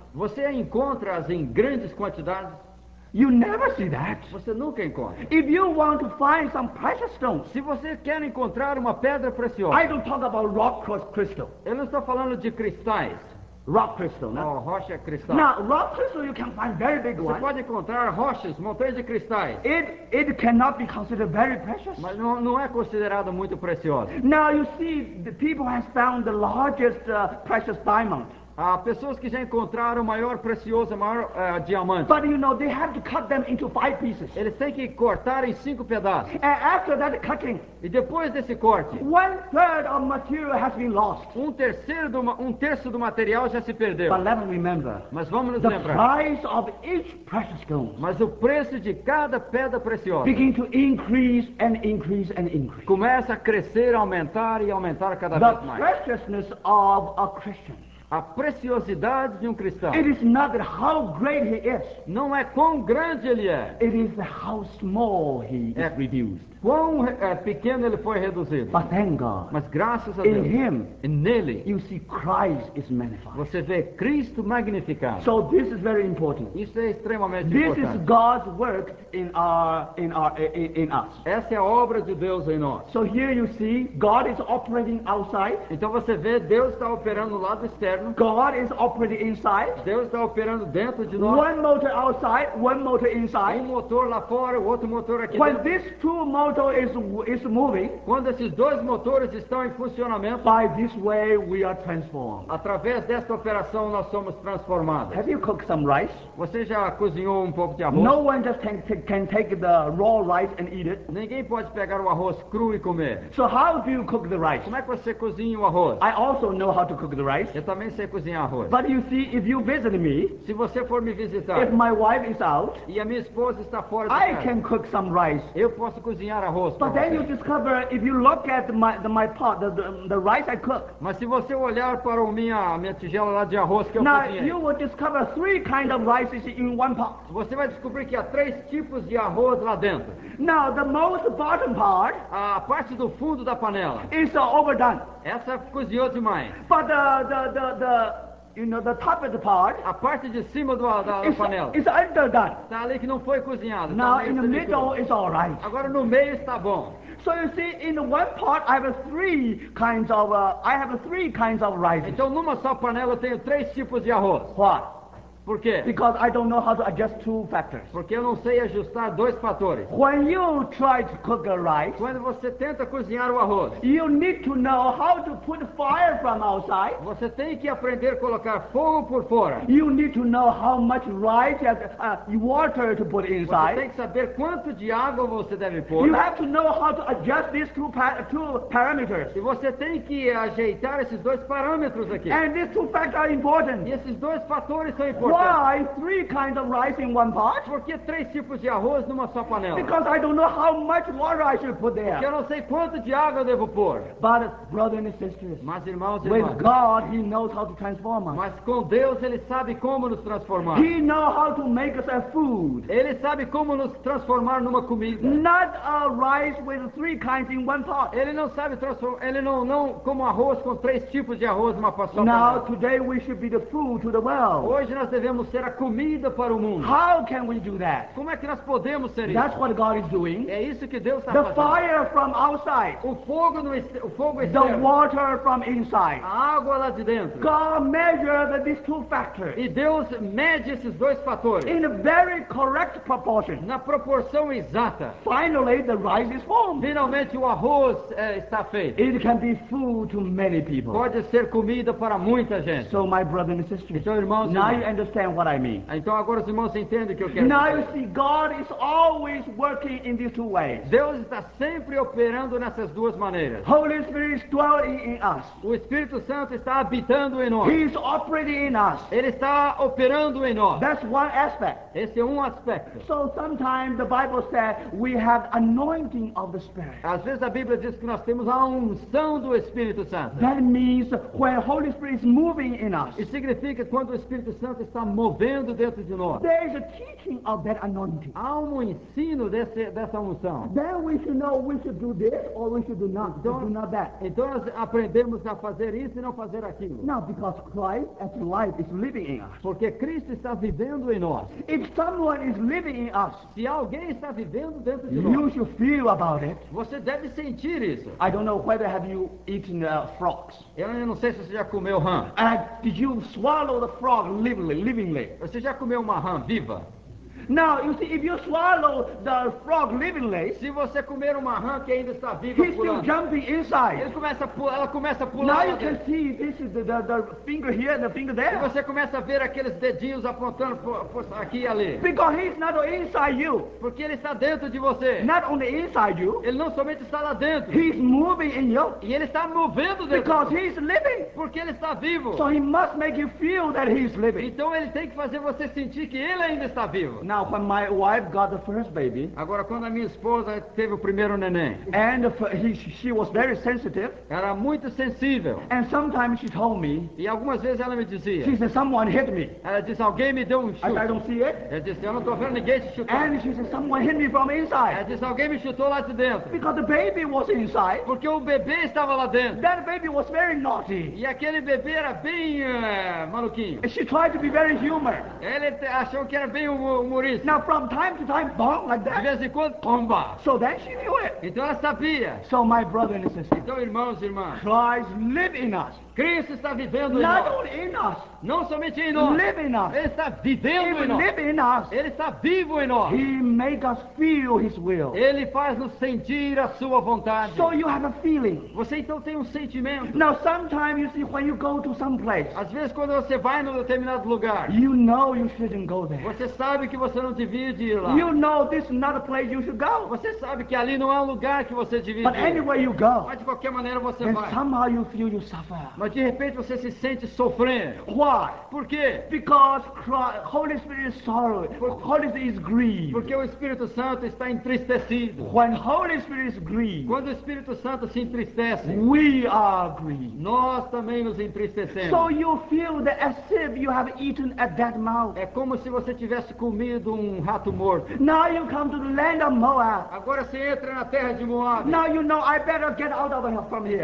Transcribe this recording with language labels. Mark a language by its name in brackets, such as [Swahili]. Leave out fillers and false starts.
[Portuguese] Você encontra-as em grandes quantidades? [English] You never see that. [Portuguese] Você nunca encontra. [English] If you want to find some precious stones, [Portuguese] se você quer encontrar uma pedra preciosa, [English] I don't talk about rock crystal. [Portuguese] Eu não estou falando de cristais. [English] Rock crystal, [Portuguese] não? Oh, rocha cristal. [English] Now, rock crystal, you can find very big ones. [Portuguese] Você pode encontrar rochas, montanhas de cristais. [English] It cannot be considered very precious. [Portuguese] Mas não é considerado muito precioso. [English] Now you see, the people has found the largest precious diamond. [Portuguese] Há pessoas que já encontraram o maior precioso, maior diamante. [English] But you know, they have to cut them into five pieces. [Portuguese] Eles têm que cortar em cinco pedaços. [English] And after that cutting, [Portuguese] e depois desse corte, [English] one third of material has been lost. [Portuguese] Um terço do material já se perdeu. [English] But let me remember, [Portuguese] mas vamos nos [English] the [Portuguese] lembrar. [English] Price of each precious stone, [Portuguese] mas o preço de cada pedra preciosa, [English] begin to increase and increase and increase. [Portuguese] Começa a crescer, aumentar e aumentar cada [English] the [Portuguese] vez mais. [English] The preciousness of a Christian. [Portuguese] A preciosidade de um cristão. [English] It is not how great he is. [Portuguese] Não é quão grande ele é. [English] It is how small he is reduced. [Portuguese] Quão pequeno ele foi reduzido. [English] But thank God. [Portuguese] Mas graças a [English] in [Portuguese] Deus. [English] In him. [Portuguese] Nele. [English] You see Christ is magnified. [Portuguese] Você vê Cristo magnificado. [English] So this is very important. [Portuguese] Isso é extremamente [English] this [Portuguese] importante. [English] This is God's work in us. [Portuguese] Essa é a obra de Deus em nós. [English] So here you see God is operating outside. [Portuguese] Então você vê Deus está operando no lado externo. [English] God is operating inside. [Portuguese] Deus está operando dentro de nós. [English] One motor outside, one motor inside. [Portuguese] Um motor lá fora, outro motor aqui. [English] When [Portuguese] dentro. [English] This two motor is moving. [Portuguese] Quando esses dois motores estão em funcionamento. [English] By this way we are transformed. [Portuguese] Através desta operação nós somos transformados. [English] Have you cooked some rice? [Portuguese] Você já cozinhou um pouco de arroz? [English] No one just can take the raw rice and eat it. [Portuguese] Ninguém pode pegar o arroz cru e comer. [English] So how do you cook the rice? [Portuguese] Como é que você cozinha o arroz? [English] I also know how to cook the rice. [Portuguese] Eu também sei cozinhar arroz. [English] But you see, if you visit me, [Portuguese] se você for me visitar, [English] if my wife is out, [Portuguese] e a minha esposa está fora, [English] I can cook some rice. [Portuguese] Eu posso cozinhar arroz. [English] But then [Portuguese] você. [English] You discover, if you look at my pot, the rice I cook. [Portuguese] Mas se você olhar para minha tigela lá de arroz que eu [English] now, [Portuguese] cozinhei, [English] now you will discover three kinds of rice in one pot. [Portuguese] Você vai descobrir que há três tipos de arroz lá dentro. [English] Now the most bottom part, [Portuguese] a parte do fundo da panela, [English] is overdone. [Portuguese] Essa cozinhou demais. [English] But the you know the top of the part, [Portuguese] a parte de cima da panela, [English] is underdone. [Portuguese] Tá ali que não foi cozinhado. [English] Now in the middle is all right. [Portuguese] Agora no meio está bom. [English] So you see, in one pot I have three kinds of rice. [Portuguese] Então numa só panela eu tenho três tipos de arroz. [English] What? [Portuguese] Por quê? [English] Because I don't know how to adjust two factors. [Portuguese] Porque eu não sei ajustar dois fatores. [English] When you try to cook a rice, [Portuguese] quando você tenta cozinhar o arroz, [English] you need to know how to put fire from outside. [Portuguese] Você tem que aprender a colocar fogo por fora. [English] You need to know how much rice and water to put inside. [Portuguese] Você tem que saber quanto de água você deve pôr. [English] You have to know how to adjust these two parameters. [Portuguese] E você tem que ajeitar esses dois parâmetros aqui. [English] And these two factors are important. [Portuguese] E esses dois fatores são importantes. [English] Why Why three kinds of rice in one pot? [Portuguese] Por que três tipos de arroz numa só panela? [English] Because I don't know how much water I should put there. [Portuguese] Porque eu não sei quanto de água eu devo pôr. [English] But brothers and sisters, [Portuguese] mas irmãos e irmãs, [English] with God He knows how to transform us. [Portuguese] Mas com Deus Ele sabe como nos transformar. [English] He knows how to make us a food. [Portuguese] Ele sabe como nos transformar numa comida. [English] Not a rice with three kinds in one pot. [Portuguese] Ele não sabe transformar. Ele não como arroz com três tipos de arroz numa só panela. [English] Now today we should be the food to the world. [Portuguese] Hoje nós devemos ser a comida para o mundo. [English] How can we do that? [Portuguese] Como é que nós podemos ser [English] That's [Portuguese] isso? [English] What God is doing. [Portuguese] É isso que Deus está [English] the [Portuguese] fazendo. [English] Fire from outside. [Portuguese] O fogo externo. [English] The water from inside. [Portuguese] A água lá de dentro. [English] God measures these two factors. [Portuguese] E Deus mede esses dois fatores. [English] In a very correct proportion. [Portuguese] Na proporção exata. [English] Finally, the rice is formed. [Portuguese] Finalmente o arroz está feito. [English] It can be food to many people. [Portuguese] Pode ser comida para muita gente. [English] So my brother and sister. [Portuguese] Então irmãos, [English] now you understand what I mean. [Portuguese] Então agora os irmãos entendem o que eu quero [English] now [Portuguese] dizer. [English] Now you see, God is always working in these two ways. [Portuguese] Deus está sempre operando nessas duas maneiras. [English] Holy Spirit is dwelling in us. [Portuguese] O Espírito Santo está habitando em nós. [English] He is operating in us. [Portuguese] Ele está operando em nós. [English] That's one aspect. [Portuguese] Esse é um aspecto. [English] So sometimes the Bible says we have anointing of the Spirit. [Portuguese] Às vezes a Bíblia diz que nós temos a unção do Espírito Santo. [English] That means when Holy Spirit is moving in us. [Portuguese] Isso significa quando o Espírito Santo está movendo dentro de nós. [English] There is a teaching of that anointing. [Portuguese] Há um ensino dessa unção. [English] Then we should know we should do this or we should do not that. [Portuguese] Então nós aprendemos a fazer isso e não fazer aquilo. [English] Now because Christ as life is living in us. [Portuguese] Porque Cristo está vivendo em nós. [English] If someone is living in us, [Portuguese] se alguém está vivendo dentro de [English] you [Portuguese] nós, [English] you should feel about it. [Portuguese] Você deve sentir isso. [English] I don't know whether have you eaten frogs. [Portuguese] Eu não sei se você já comeu rã. [English] Did you swallow the frog livingly? [Portuguese] Você já comeu uma rã viva? [English] Now, you see, if you swallow the frog livingly, [Portuguese] se você comer uma rã que ainda está viva, [English] he's still jumping inside. [Portuguese] Ele começa a pular, ela começa a pular. [English] Now you can see this is the finger here and the finger there. [Portuguese] E você começa a ver aqueles dedinhos apontando aqui e ali. [English] Because he's not inside you. [Portuguese] Porque ele está dentro de você. [English] Not only inside you. [Portuguese] Ele não somente está lá dentro. [English] He's moving in you. [Portuguese] E ele está movendo dentro. [English] Because he's living. [Portuguese] Porque ele está vivo. [English] So he must make you feel that he's living. [Portuguese] Então ele tem que fazer você sentir que ele ainda está vivo. [English] Now when my wife got the first baby, [Portuguese] agora quando a minha esposa teve o primeiro neném, [English] and she was very sensitive, [Portuguese] era muito sensível, [English] and sometimes she told me, [Portuguese] e algumas vezes ela me dizia, [English] she said someone hit me, [Portuguese] ela disse alguém me deu um chute, [English] I don't see it, [Portuguese] ela disse eu não estou vendo ninguém te chutar, [English] and she said someone hit me from inside, [Portuguese] ela disse alguém me chutou lá de dentro, [English] because the baby was inside, [Portuguese] porque o bebê estava lá dentro, [English] that baby was very naughty, [Portuguese] e aquele bebê era bem maluquinho, [English] and she tried to be very humor, [Portuguese] ela achou que era bem humor. [English] Now from time to time, bomb like that. [Portuguese] De vez em quando, bomba. [English] So then she knew it. [Portuguese] Então ela sabia. [English] So my brother and sister. [Portuguese] Então irmãos e irmãs. [English] Christ live in us. [Portuguese] Cristo está vivendo [English] not [Portuguese] em nós. [English] Not only in us. [Portuguese] Não somente em nós. [English] Live in us. [Portuguese] Ele está vivendo [English] Even [Portuguese] em nós. [English] Live in us. [Portuguese] Ele está vivo em nós. [English] He make us feel His will. [Portuguese] Ele faz nos sentir a Sua vontade. [English] So you have a feeling. [Portuguese] Você então tem sentimento. [English] Now sometimes you see when you go to some place. [Portuguese] Às vezes quando você vai num determinado lugar. [English] You know you shouldn't go there. [Portuguese] Você sabe que você não devia ir lá. [English] You know this is not a place you should go. [Portuguese] Você sabe que ali não é um lugar que você devia [English] But [Portuguese] ir. [English] But anyway you go. [Portuguese] Mas de qualquer maneira você [English] then [Portuguese] vai. [English] And somehow you feel you suffer. [Portuguese] Mas de repente você se sente sofrendo. [English] Why? [Portuguese] Por quê? [English] Because Christ, Holy Spirit is sorrow. Holy Spirit is grieved. [Portuguese] Porque o Espírito Santo está entristecido. [English] When Holy Spirit is grieved. [Portuguese] Quando o Espírito Santo se entristece. [English] We are grieved. [Portuguese] Nós também nos entristecemos. [English] So you feel that as if you have eaten at that mouth. [Portuguese] É como se você tivesse comido um rato morto. [English] Now you come to the land of Moab. [Portuguese] Agora você entra na terra de Moab. [English] Now you know I better get out of here from here.